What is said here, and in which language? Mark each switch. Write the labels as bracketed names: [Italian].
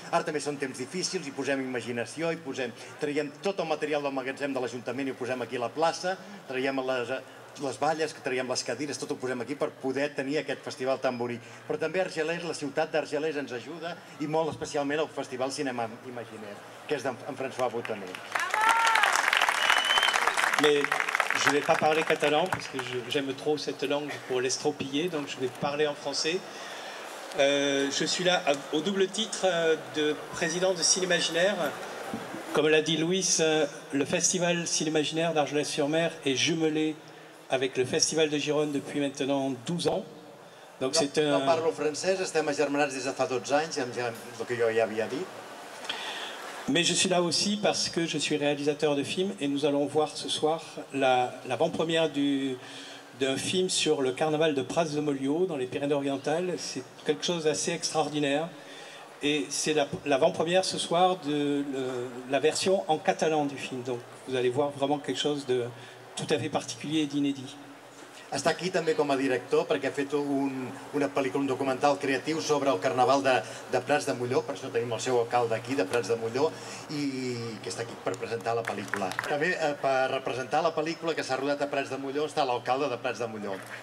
[Catalan] Ara també són temps difícils, hi posem imaginació, traiem tot el material del magatzem de l'Ajuntament i ho posem aquí a la plaça, traiem les valles, traiem les cadires, tot ho posem aquí per poder tenir aquest festival tan bonic. Però també Argelers, la ciutat d'Argelers ens ajuda i molt especialment el Festival Cinema Imaginer, que és d'en François Boutonnet. [French] Mais je ne vais pas parler catalan parce que j'aime trop cette langue pour l'estropiller, donc je vais parler en français. Je suis là au double titre de président de Cinémaginaire. Comme l'a dit Louis, le festival Cinémaginaire d'Argelès-sur-Mer est jumelé avec le Festival de Gironde depuis maintenant 12 ans. Donc c'est un... [Catalan] No parlo francès, estem agermanats des de fa 12 anys, amb el que jo ja havia dit. [French] Mais je suis là aussi parce que je suis réalisateur de films et nous allons voir ce soir l'avant-première d'un film sur le carnaval de Prats de Molliot dans les Pyrénées-Orientales. C'est quelque chose d'assez extraordinaire. Et c'est l'avant-première ce soir de la version en catalan du film. Donc vous allez voir vraiment quelque chose de tout à fait particulier et d'inédit. [Catalan] Està aquí també com a director perquè ha fet una pel·lícula, un documental creatiu sobre el carnaval de Prats de Molló, per això tenim el seu alcalde aquí, de Prats de Molló, i que està aquí per presentar la pel·lícula. També per representar la pel·lícula que s'ha rodat a Prats de Molló està l'alcalde de Prats de Molló.